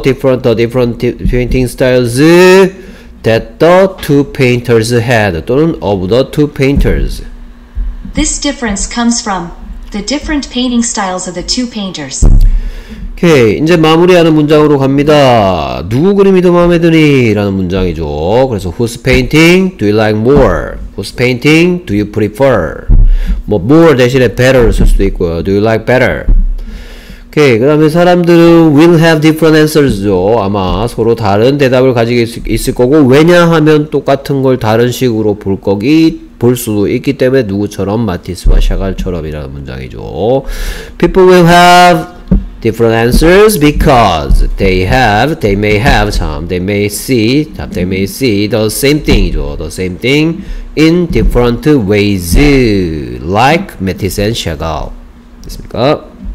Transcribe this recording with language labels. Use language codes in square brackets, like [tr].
[en] different painting styles that the two painters had 또는 of the two painters. This difference comes from the different painting styles of the two painters. [ko] Okay, 이제 마무리하는 문장으로 갑니다. 누구 그림이 더 마음에 드니? 라는 문장이죠. 그래서 [en] whose painting do you like more? whose painting do you prefer? [ko] 뭐 more 대신에 better를 쓸 수도 있고요. [en] do you like better? 오케이. [ko] 그 다음에 사람들은 [en] will have different answers죠. [ko] 아마 서로 다른 대답을 가지고 있을 거고, 왜냐하면 똑같은 걸 다른 식으로 볼 거기 볼 수도 있기 때문에 누구처럼 마티스와 샤갈처럼 이라는 문장이죠. [en] People will have different answers because they may see the same thing이죠. the same thing in different ways like Matisse and Chagall. 됐습니까?